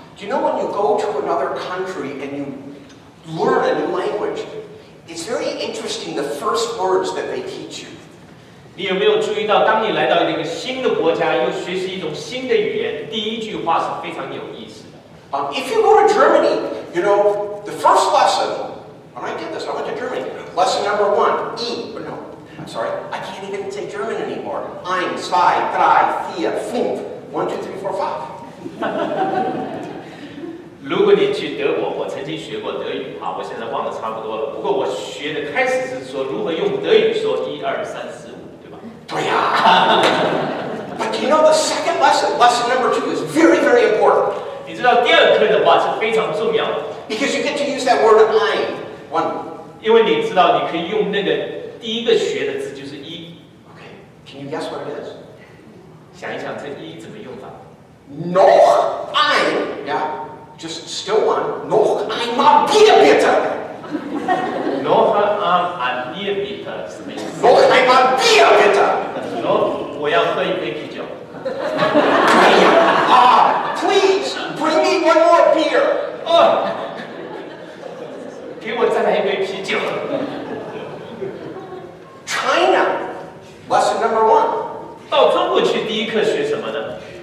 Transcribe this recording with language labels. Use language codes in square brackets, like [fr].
[en] Do you know when you go to another country and you learn a new language, it's very interesting the first words that they teach you. [zh] 你有没有注意到当你来到一个新的国家又学习一种新的语言第一句话是非常有意思的。 [en] If you go to Germany, you know, the first lesson, when I did this, I went to Germany, lesson number one, E, but no, I'm sorry, I can't even say German anymore. [de] Ein, zwei, drei, vier, fünf, [en] one, two, three, four, five. [zh] 如果你去德国，我曾经学过德语啊，我现在忘得差不多了。不过我学的开始是说如何用德语说一二三四五，对吧？对呀。 [en] But you know the second lesson number two is very, very important. [zh] 你知道第二课的话是非常重要的。 [en] Because you get to use that word I one. [zh] 因为你知道你可以用那个第一个学的字就是一。 [en] Okay. Can you guess what it is? [zh] 想一想这一怎么用法？ [de] Noch ein, [en] yeah, just still one. [de] Noch einmal Bier bitte. Noch einmal Bier bitte. Noch einmal Bier bitte. [zh] Noch, 我要喝一杯啤酒。 [en] please bring me one more beer. [zh] 给我再来一杯啤酒。 [en] China, lesson number one. [zh] 到中国去第一课学什么呢？